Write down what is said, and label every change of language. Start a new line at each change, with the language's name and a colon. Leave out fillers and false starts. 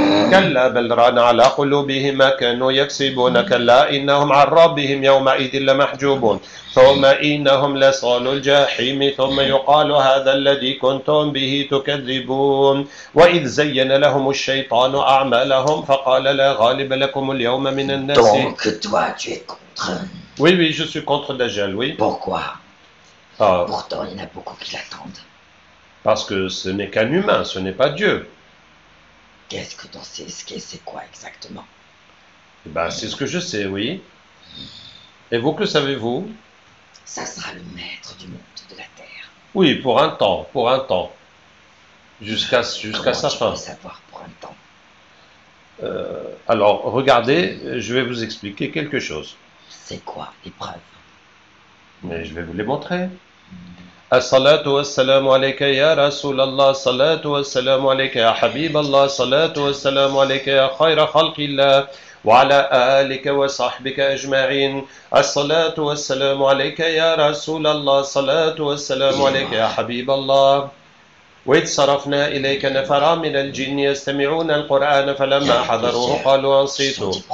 Arabic: كلا بل ران على قلوبهم ما كانوا يكسبون كلا إنهم عن ربهم يومئذ لمحجوبون ثم إنهم لصال الجحيم ثم يقال هذا الذي كنتم به تكذبون وإذ زين لهم الشيطان أعمالهم فقال لا غالب لكم اليوم من الناس
French: Donc toi, tu es contre. oui, je suis contre Dajjal, oui. Pourquoi? Ah. Pourtant, il y en a beaucoup qui l'attendent. Parce que ce n'est qu'un humain, ce n'est pas Dieu. Qu'est-ce que tu en sais? C'est quoi exactement? Ben, c'est ce que je sais, oui. Et vous, que savez-vous? Ça sera le maître du monde, de la Terre. Oui, pour un temps, pour un temps. Jusqu'à Comment sa tu peux fin. savoir pour un temps? Alors, regardez, je vais vous expliquer quelque chose. C'est quoi l'épreuve? Mais je vais vous les montrer.
Arabic: الصلاة والسلام عليك يا رسول الله الصلاة والسلام عليك يا حبيب الله الصلاة والسلام عليك يا خير خلق الله وعلى آلك وصحبك أجمعين الصلاة والسلام عليك يا رسول الله الصلاة والسلام عليك يا حبيب الله وإذ صرفنا إليك نفرا من الجن يستمعون القرآن فلما حضروه قالوا أنصتوا